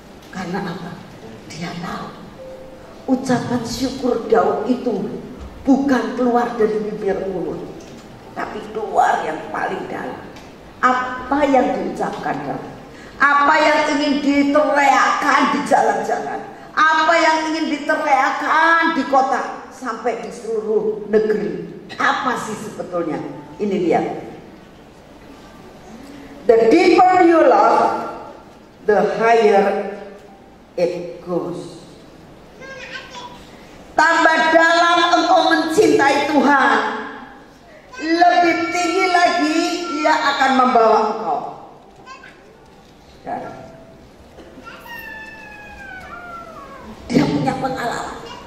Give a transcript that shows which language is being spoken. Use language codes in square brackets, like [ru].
[id] Karena apa? Dia tahu ucapan syukur Daud itu bukan keluar dari bibir mulut, tapi keluar yang paling dalam. Apa yang diucapkan Daud? Apa yang ingin diteriakkan di jalan-jalan? Apa yang ingin diteriakkan di kota sampai di seluruh negeri? Apa sih sebetulnya? Ini dia. [en] The deeper you love, the higher it goes. [id] Tambah dalam engkau mencintai Tuhan, lebih tinggi lagi dia akan membawa engkau. Dan dia punya pengalaman.